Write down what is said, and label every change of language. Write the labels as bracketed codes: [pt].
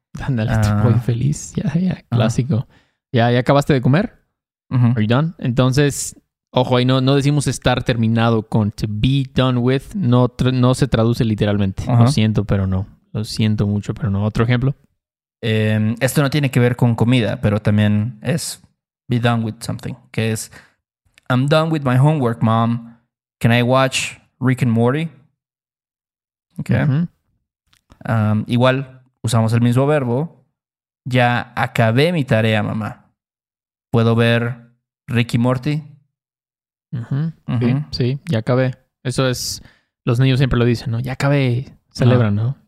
[es] Ándale, tu pollo feliz. Ya, yeah, ya. Yeah. Clásico. ¿Ya, ya acabaste de comer? Uh-huh. [en] Are you done? [es] Entonces, ojo, ahí no decimos estar terminado con [en] to be done with. [es] No se traduce literalmente. Uh-huh. Lo siento, pero no. Lo siento mucho, pero no. ¿Otro ejemplo? Esto no tiene que ver con comida, pero también es [en] be done with something. [es] Que es, [en] I'm done with my homework, mom. Can I watch Rick and Morty? Okay. Uh-huh. [es] Igual, usamos el mismo verbo. Ya acabé mi tarea, mamá. ¿Puedo ver Rick y Morty? Uh-huh. Uh-huh. Sí, ya acabé. Eso es, los niños siempre lo dicen, ¿no? Ya acabé. Celebran, ¿no?